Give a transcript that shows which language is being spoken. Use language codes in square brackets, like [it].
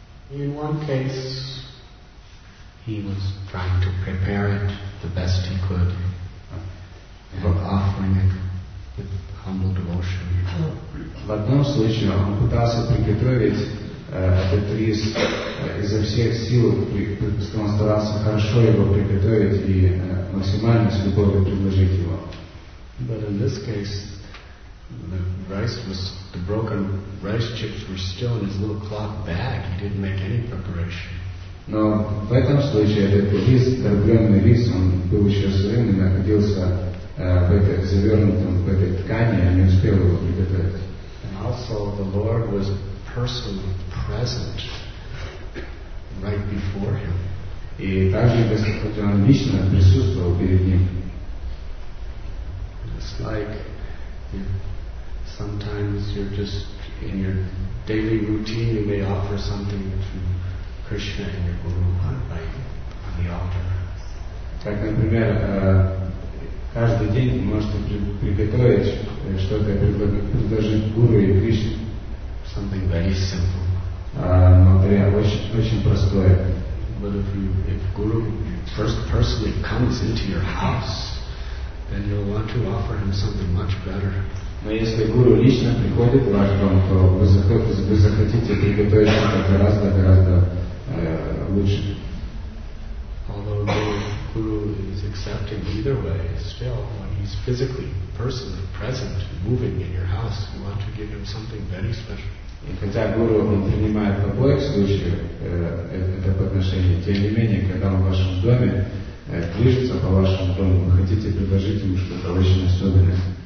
[en] In one case, he was trying to prepare it the best he could, and offering it with humble devotion. [ru] В одном случае он пытался приготовить этот рис изо всех сил, он старался хорошо его приготовить и максимально с любовью предложить его. [en] But in this case, the rice was, the broken rice chips were still in his little cloth bag. He didn't make any preparation. [ru] Но в этом случае этот рис, дробленный рис, он был еще сырым и находился в этой завернутом в этой ткани, и не успел его приготовить. [en] And also the Lord was personally present right before him. [ru] И также Господь он лично присутствовал перед ним. [en] It's like sometimes you're just in your daily routine, you may offer something to Krishna and your Guru on the altar. [ru] Так, например, каждый день вы можете приготовить что-то, предложить Гуру и Кришне. [en] Something very simple. [ru] Например, очень простое. [en] But if Guru first personally comes into your house, then you'll want to offer him something much better. [ru] Но если Гуру лично приходит в ваш дом, то вы захотите приготовить что-то гораздо лучше. [en] Although Guru is accepting either way, still, when he's physically, personally present, moving in your house, you want to give him something very special. [ru] И хотя Гуру он принимает в обоих случаях это по отношению, тем не менее, когда он в вашем доме, движется по вашему дому, вы хотите предложить ему что-то очень особенное.